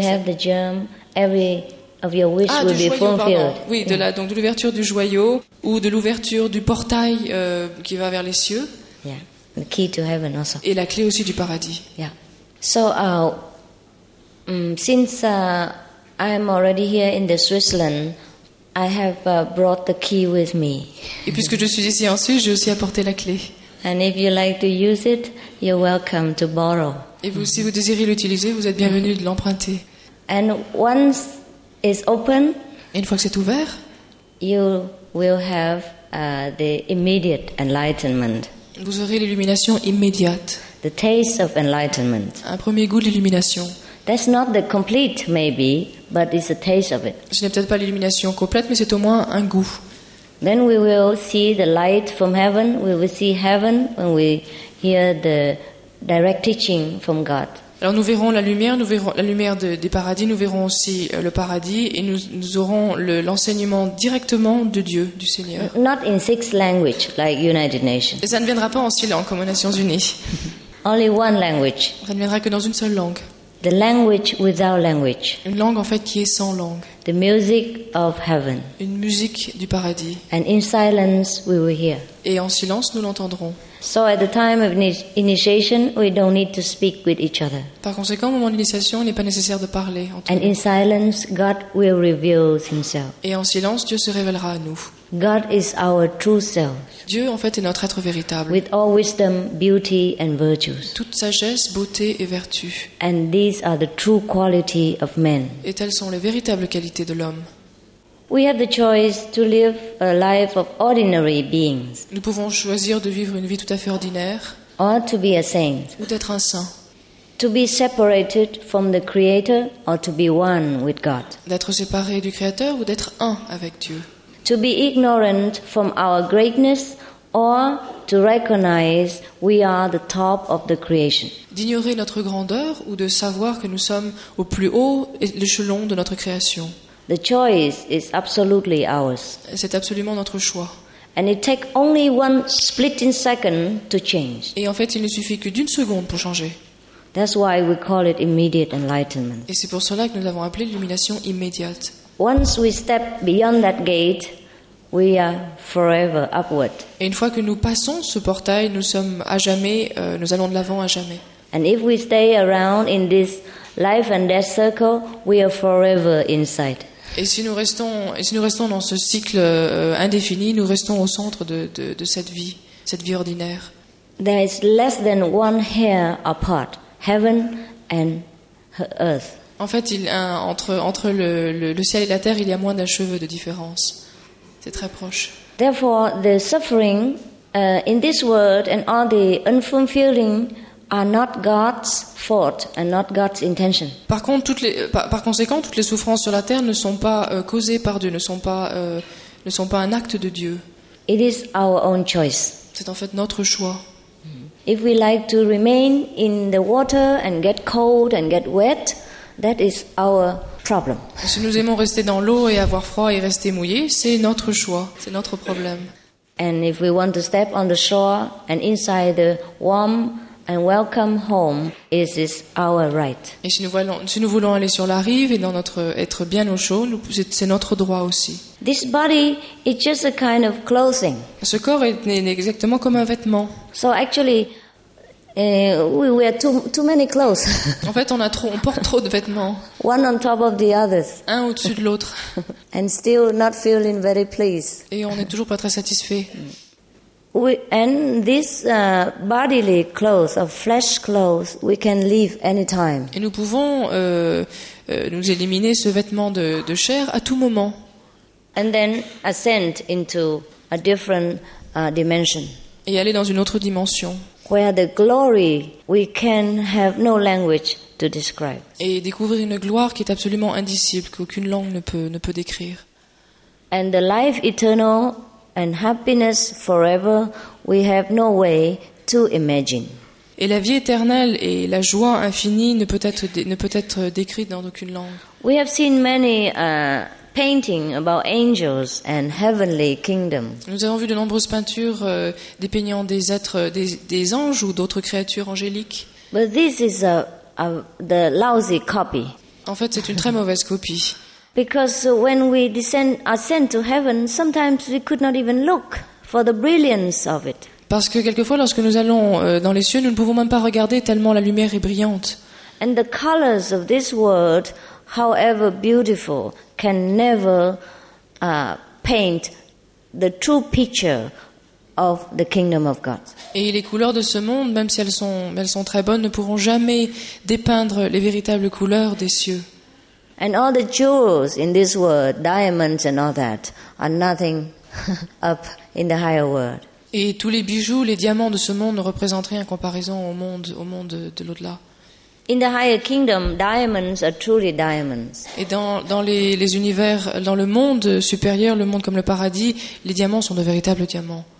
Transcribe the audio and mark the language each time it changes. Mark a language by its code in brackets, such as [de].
[en] have the germ, every of your wish will be fulfilled. Oui, yeah. [fr] De l'ouverture du joyau ou de l'ouverture du portail qui va vers les cieux. [en] Yeah, the key to heaven also. [fr] Et la clé aussi du paradis. Yeah. [en] So since I am already here in the Switzerland, I have brought the key with me. [fr] Et puisque je suis ici en Suisse, j'ai aussi apporté la clé. [en] And if you like to use it, you're welcome to borrow. [fr] Et vous, si vous désirez l'utiliser, vous êtes bienvenue de l'emprunter. [en] And once it's open, [fr] et une fois que c'est ouvert, [en] you will have the immediate enlightenment. [fr] Vous aurez l'illumination immédiate. [en] The taste of enlightenment. [fr] Un premier goût d'illumination. [en] That's not the complete, maybe, but it's a taste of it. [fr] Ce n'est peut-être pas l'illumination complète, mais c'est au moins un goût. [en] Then we will see the light from heaven. We will see heaven when we hear the direct teaching from God. [fr] Alors nous verrons la lumière. Nous verrons la lumière des paradis. Nous verrons aussi le paradis, et nous aurons l'enseignement directement de Dieu, du Seigneur. [en] Not in six language like United Nations. [fr] Et ça ne viendra pas en six langues comme aux Nations Unies. [en] Only one language. [fr] Ça ne viendra que dans une seule langue. [en] The language without language. [fr] Une langue en fait qui est sans langue. [en] The music of heaven. [fr] Une musique du paradis. [en] And in silence we will hear. [fr] Et en silence nous l'entendrons. [en] So at the time of initiation we don't need to speak with each other. [fr] Par conséquent, au moment de l'initiation, il n'est pas nécessaire de parler entre nous. [en] And in silence God will reveal himself. [fr] Et en silence Dieu se révélera à nous. [en] God is our true self. [fr] Dieu en fait est notre être véritable. [en] With all wisdom, beauty and virtues. [fr] Toute sagesse, beauté et vertu. [en] And these are the true quality of men. [fr] Et telles sont les véritables qualités de l'homme. [en] We have the choice to live a life of ordinary beings. [fr] Nous pouvons choisir de vivre une vie tout à fait ordinaire. [en] Or to be a saint. [fr] Ou d'être un saint. [en] To be separated from the Creator or to be one with God. [fr] D'être séparé du Créateur ou d'être un avec Dieu. [en] To be ignorant from our greatness or to recognize we are the top of the creation. [fr] D'ignorer notre grandeur ou de savoir que nous sommes au plus haut échelon de notre création. [en] The choice is absolutely ours. [fr] C'est absolument notre choix. [en] And it takes only one splitting second to change. [fr] Et en fait, il ne suffit que d'une seconde pour changer. [en] That's why we call it immediate enlightenment. [fr] Et c'est pour cela que nous l'avons appelé l'illumination immédiate. [en] Once we step beyond that gate, we are forever upward. [fr] Et une fois que nous passons ce portail, nous sommes à jamais, nous allons de l'avant à jamais. [en] And if we stay around in this life and death circle, we are forever inside. [fr] Et si nous restons dans ce cycle indéfini, nous restons au centre de cette vie ordinaire. [en] There is less than one hair apart, heaven and earth. [fr] En fait, entre le ciel et la terre, il y a moins d'un cheveu de différence. C'est très proche. [en] Therefore, the suffering in this world and all the unfulfilling are not God's fault and not God's intention. [fr] Par contre, toutes les souffrances sur la terre ne sont pas causées par Dieu, ne sont pas un acte de Dieu. [en] It is our own choice. [fr] C'est en fait notre choix. [en] If we like to remain in the water and get cold and get wet, that is our problem. [fr] Si nous aimons rester dans l'eau et avoir froid et rester mouillé, c'est notre choix, c'est notre problème. [en] And if we want to step on the shore and inside the warm And welcome home is our right. [fr] Et si nous voulons aller sur la rive et dans notre être bien au chaud, c'est notre droit aussi. [en] This body is just a kind of clothing. [fr] Ce corps est exactement comme un vêtement. [en] So actually, we wear too many clothes. [fr] En fait, on porte trop de vêtements. [en] One on top of the others. [fr] Un au-dessus de l'autre. [en] And still not feeling very pleased. [fr] Et on n'est toujours pas très satisfait. [en] Bodily clothes or flesh clothes, we can leave anytime. [fr] Et nous pouvons nous éliminer ce vêtement de chair à tout moment. [en] And then ascend into a different dimension. [fr] Et aller dans une autre dimension. [en] Where the glory we can have no language to describe. [fr] Et découvrir une gloire qui est absolument indicible, qu'aucune langue ne peut décrire. [en] And the life eternal. And happiness forever, we have no way to imagine. [fr] Et la vie éternelle et la joie infinie ne peut être décrite dans aucune langue. [en] We have seen many paintings about angels and heavenly kingdom. [fr] Nous avons vu de nombreuses peintures dépeignant des anges ou d'autres créatures angéliques. [en] But this is the lousy copy. [fr] En fait, c'est une très mauvaise copie. [en] Because when we ascend to heaven, sometimes we could not even look for the brilliance of it. [fr] Parce que quelquefois, lorsque nous allons dans les cieux, nous ne pouvons même pas regarder tellement la lumière est brillante. [en] And the colors of this world, however beautiful, can never paint the true picture of the kingdom of God. [fr] Et les couleurs de ce monde, même si elles sont très bonnes, ne pourront jamais dépeindre les véritables couleurs des cieux. [en] And all the jewels in this world, diamonds and all that, are nothing up in the higher world. [fr] Et tous les bijoux, les diamants de ce monde ne représentent rien en comparaison au monde de l'au-delà. [en] In the higher kingdom, diamonds are truly diamonds. [fr] Et dans les univers, dans le monde supérieur, le monde comme le paradis, les diamants sont de véritables diamants.